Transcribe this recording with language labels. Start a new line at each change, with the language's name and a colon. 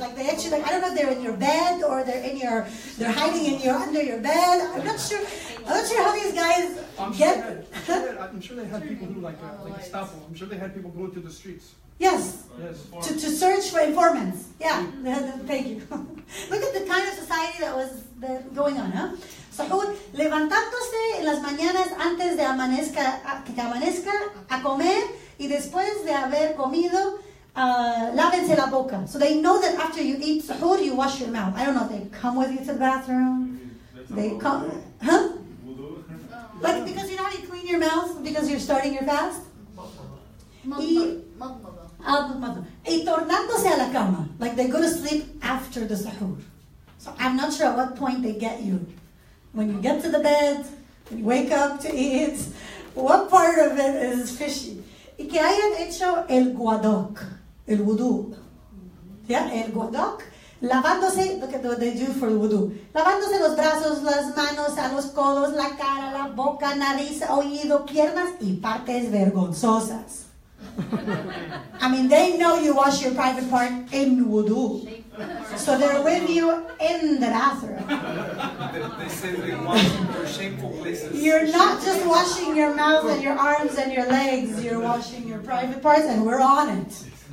English: Like they actually, like, I don't know if they're in your bed or they're hiding in your under your bed. I'm not sure how these guys get. I'm sure they had people who like Gestapo. I'm sure they had people go to the streets. Yes. Yes. To search for informants. Yeah. Thank you. Look at the kind of society that was going on, huh?
Spanish: Sahur, levantándose en las mañanas antes de amanezca, que amanezca, a comer, y después de haber comido, lávense la boca.
English: So they know that after you eat sahur, you wash your mouth. I don't know, they come with you to the bathroom. They come, huh? Like, because you know how you clean your mouth because you're starting your fast?
Spanish: Y tornándose a la cama.
English: Like they go to sleep after the sahur. So I'm not sure at what point they get you. When you get to the bed, when you wake up to eat, what part of it is fishy?
Spanish: Y que hayan hecho el guadoc, el wudu.
English: Yeah,
Spanish: el guadoc, lavándose,
English: look at what they do for the wudu.
Spanish: Lavándose los brazos, las manos, a los codos, la cara, la boca, nariz, oído, piernas y partes vergonzosas.
English: I mean, they know you wash your private part in wudu. So they're with you in the bathroom. You're not just washing your mouth and your arms and your legs, you're washing your private parts, and we're on it.